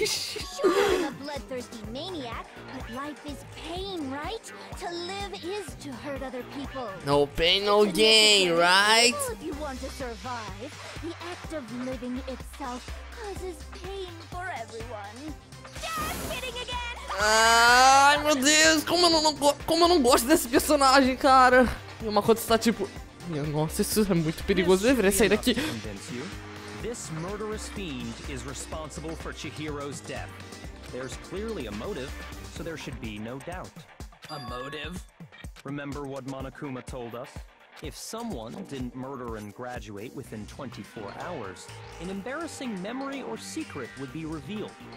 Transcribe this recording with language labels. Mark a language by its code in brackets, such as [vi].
[en] Sure, I'm a bloodthirsty maniac, but life is pain, right? To live is to hurt other people. No pain, no gain, right? If you want to survive, the act of living itself causes pain for everyone. Just kidding again! [pt] Ai, meu Deus, como eu não gosto desse personagem, cara. E uma coisa está tipo, nossa, isso é muito perigoso, eu deveria sair daqui. [en] This murderous fiend is responsible for Chihiro's death. There's clearly a motive, so there should be no doubt. A motive? Remember what Monokuma told us? If someone didn't murder and graduate within 24 hours, an embarrassing memory or secret would be revealed.